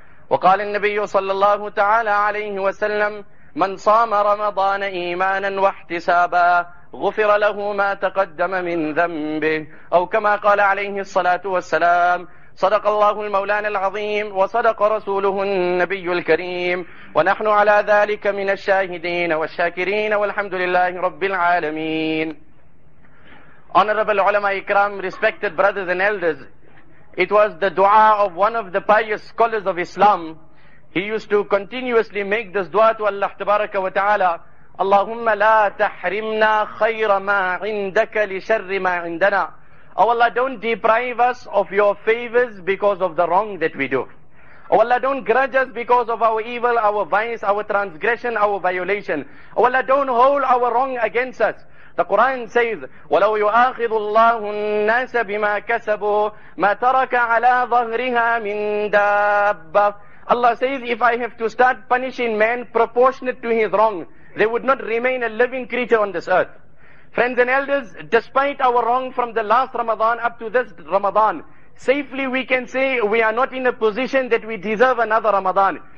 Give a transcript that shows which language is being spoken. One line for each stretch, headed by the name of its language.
Arabic: وقال النبي صلى الله تعالى عليه وسلم: من صام رمضان إيمانا واحتسابا غفر له ما تقدم من ذنبه، أو كما قال عليه الصلاة والسلام. صدق الله المولانا العظيم وصدق رسوله النبي الكريم، ونحن على ذلك من الشاهدين والشاكرين، والحمد لله رب العالمين.
English: Honorable
Arabic: علماء اكرام,
English: respected brothers and elders, it was the dua of one of the pious scholars of Islam. He used to continuously make this dua to Allah
Arabic: تبارك وتعالى: اللهم لا تحرمنا خير ما عندك لشر ما عندنا.
English: Oh Allah, don't deprive us of your favors because of the wrong that we do. Oh Allah, don't grudge us because of our evil, our vice, our transgression, our violation. Oh Allah, don't hold our wrong against us. The Quran says,
Arabic: وَلَوْ يُؤَاخِذُ اللَّهُ النَّاسَ بِمَا كَسَبُوا مَا تَرَكَ عَلَىٰ ظَهْرِهَا مِنْ دَابَّةٍ.
English: Allah says, if I have to start punishing man proportionate to his wrong, they would not remain a living creature on this earth. Friends and elders, despite our wrong from the last Ramadan up to this Ramadan, safely we can say we are not in a position that we deserve another Ramadan.